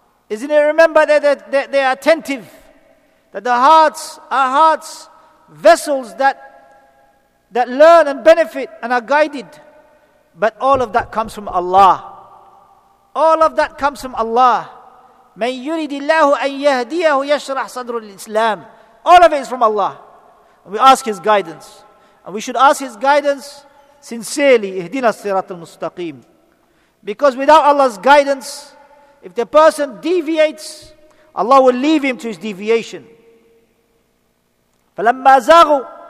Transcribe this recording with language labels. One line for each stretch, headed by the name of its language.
English: Isn't it remember that they are attentive, that the hearts are hearts, vessels that learn and benefit and are guided. But all of that comes from Allah. All of that comes from Allah.
Arabic: مَنْ يُرِدِ اللَّهُ أَنْ يَهْدِيَهُ يَشْرَحْ صَدْرُ الْإِسْلَامِ
English: All of it is from Allah. And we ask His guidance. And we should ask His guidance sincerely.
Arabic: اِهْدِنَا الصِّرَاطَ الْمُسْتَقِيمِ
English: Because without Allah's guidance, if the person deviates, Allah will leave him to his deviation.
Arabic: فَلَمَّا زَاغُوا